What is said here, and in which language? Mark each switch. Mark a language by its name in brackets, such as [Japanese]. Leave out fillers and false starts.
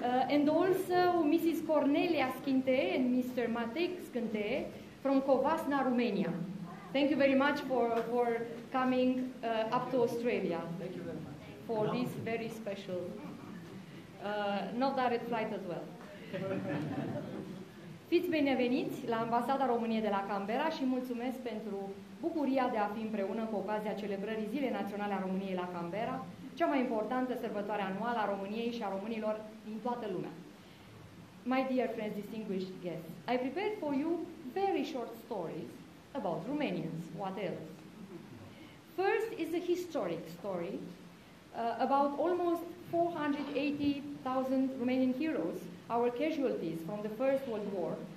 [English] And also Mrs. Cornelia Skinte and Mr. Matej Skinte from Covasna, Romania. Thank you very much for coming up to Australia. Thank you very much. For no. This very special, not direct flight as well. [Romanian] Fiți bineveniți la Ambasada României de la Canberra și mulțumesc pentru bucuria de a fi împreună cu ocazia celebrării Zilei Naționale a României la Canberra, cea mai importantă sărbătoare anuală a României și a românilor din toată lumea. [English] My dear friends, distinguished guests, I prepared for you very short stories about Romanians, what else? First is a historic story about almost 480,000 Romanian heroes, our casualties from the First World War.